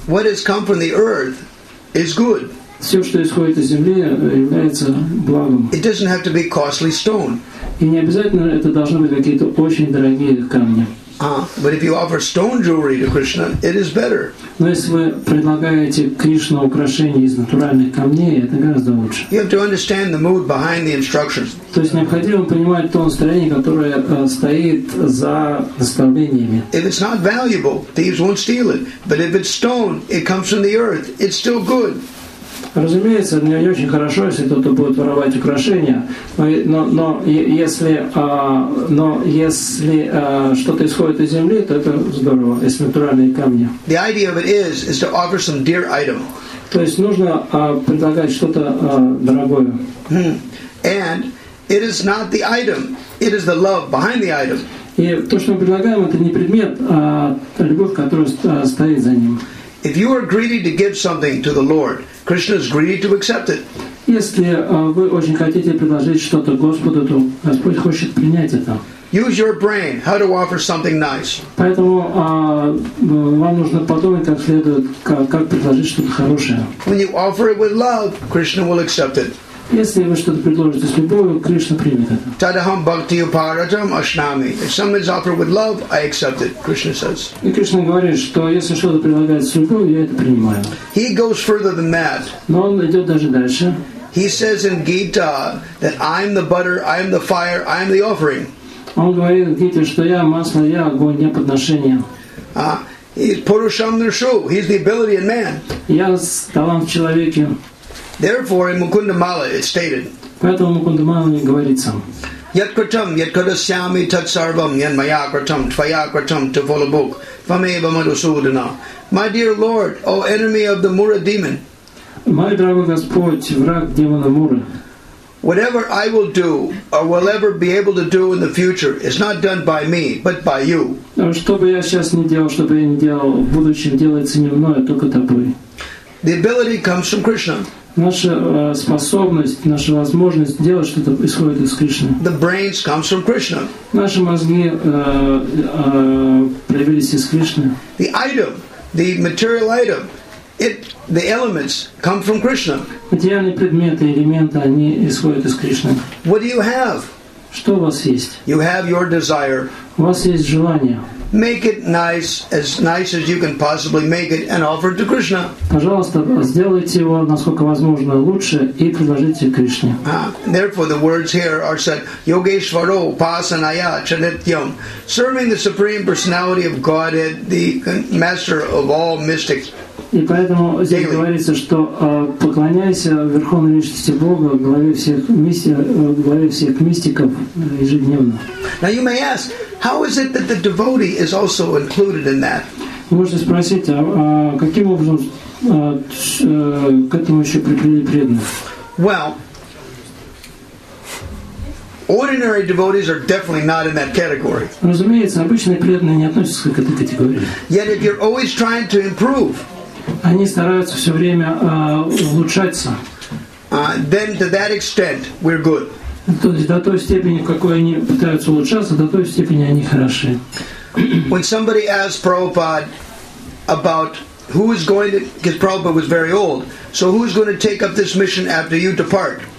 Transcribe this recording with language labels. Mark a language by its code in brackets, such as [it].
[en] What has come from the earth is good. [ru] Все, что исходит из земли, является благом. [en] It doesn't have to be costly stone. [ru] И не обязательно это должны быть какие-то очень дорогие камни. [en] But if you offer stone jewelry to Krishna, it is better. [ru] Но если вы предлагаете Кришне украшения из натуральных камней, это гораздо лучше. [en] You have to understand the mood behind the instructions. [ru] То есть необходимо понимать то настроение, которое стоит за наставлениями. [en] If it's not valuable, thieves won't steal it. But if it's stone, it comes from the earth, it's still good. [ru] Разумеется, не очень хорошо, если кто-то будет воровать украшения, но если что-то исходит из земли, то это здорово, если натуральные камни. [en] The idea of it is to offer some dear item. [ru] То есть нужно предлагать что-то дорогое. [en] And it is not the item, it is the love behind the item. [ru] И то, что мы предлагаем, это не предмет, а любовь, которая стоит за ним. [en] If you are greedy to give something to the Lord, Krishna is greedy to accept it. [ru] Если вы очень хотите предложить что-то Господу, то Господь хочет принять это. [en] Use your brain how to offer something nice. [ru] Поэтому вам нужно подумать как следует, как предложить что-то хорошее. [en] When you offer it with love, Krishna will accept it. [ru] Если вы что-то предложите с любовью, Кришна примет это. [sa] Tadaham bhakti uparajam ashnami. [en] If something is offered with love, I accept it, Krishna says. [ru] И Кришна говорит, что если что-то предлагается с любовью, я это принимаю. [en] He goes further than that. [ru] Но он идет даже дальше. [en] He says in Gita that I am the butter, I am the fire, I am the offering. [ru] Он говорит в Гите, что я масло, я огонь, я подношение. [en] He's [sa] purusham nirshu. [en] He's the ability in man. [ru] Я талант в человеке. [en] Therefore, in Mukunda Mala, it's stated. [ru] Поэтому Мукунда Мала не говорится. [sa] Yat kratam, yat kadasyami tat sarvam, yan maya kratam, tvaya kratam, tvolabuk, vameva madusudana. [en] My dear Lord, O enemy of the Mura demon. [ru] Мой дорогой Господь, враг демона Мура. [en] Whatever I will do or will ever be able to do in the future is not done by me, but by you. [ru] Что бы я сейчас не делал, что бы я не делал, в будущем делается не мной, а только тобой. [en] The ability comes from Krishna. [ru] Наша способность, наша возможность делать что-то исходит из Кришны. [en] The brains comes from Krishna. [ru] Наши мозги появились из Кришны. [en] The item, the material item, the elements come from Krishna. [ru] Материальные предметы, элементы, они исходят из Кришны. [en] What do you have? [ru] Что у вас есть? [en] You have your desire. [ru] У вас есть желание. [en] Make it nice as you can possibly make it, and offer it to Krishna. [ru] Пожалуйста, сделайте его насколько возможно лучше и предложите Кришне. [en] Therefore, the words here are said: [sa] Yogeshwaro Upasanaya Chanityam, [en] serving the supreme personality of Godhead, the master of all mystics. [ru] И поэтому здесь [en] daily. [ru] Говорится, что поклоняйся верховной личности Бога, главе всех мистиков ежедневно. [en] Now you may ask, how is it that the devotee is also included in that? [ru] Вы можете спросить, а каким образом к этому еще прикрепили преданных? [en] Well, ordinary devotees are definitely not in that category. [ru] Разумеется, обычные преданные не относятся к этой категории. [en] Yet if you're always trying to improve. [ru] Они стараются все время улучшаться. [en] Then to that extent, we're good. [ru] То есть до той степени, в какой они пытаются улучшаться, до той степени они хороши. [en] When somebody asked Prabhupada about who is going to, because Prabhupada was very old, so who's going to take up this mission after you depart?